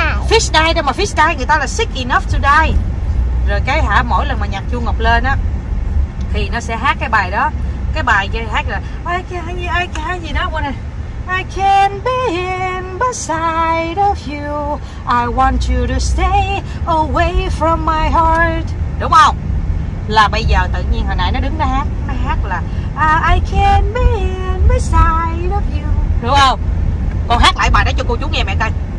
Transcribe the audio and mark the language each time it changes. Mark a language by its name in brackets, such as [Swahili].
[Vietnamese] Fish Die đâu mà Fish Die, người ta là Sick Enough to Die. Rồi cái hả, mỗi lần mà nhạc chuông Ngọc lên á thì nó sẽ hát cái bài đó. Cái bài kia hát là [English] I can't [Vietnamese] gì đó, [English] I can't be in beside of you, I want you to stay away from my heart. [Vietnamese] Đúng không? Là bây giờ tự nhiên hồi nãy nó đứng đó hát, nó hát là [English] I can't be in beside of you. [Vietnamese] Đúng không? Con hát lại bài đó cho cô chú nghe mẹ coi.